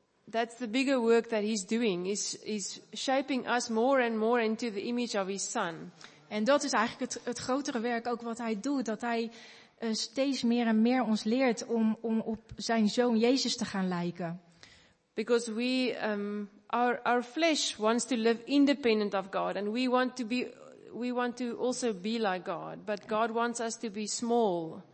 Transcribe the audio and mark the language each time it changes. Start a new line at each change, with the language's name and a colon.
English: That's the bigger work that he's doing, is shaping us more and more into the image of his son.
Dutch: En dat is eigenlijk het grotere werk ook wat hij doet, dat hij steeds meer en meer ons leert om op zijn zoon Jezus te gaan lijken.
English: Because we our flesh wants to live independent of God and we want to also be like God, but God wants us to be small.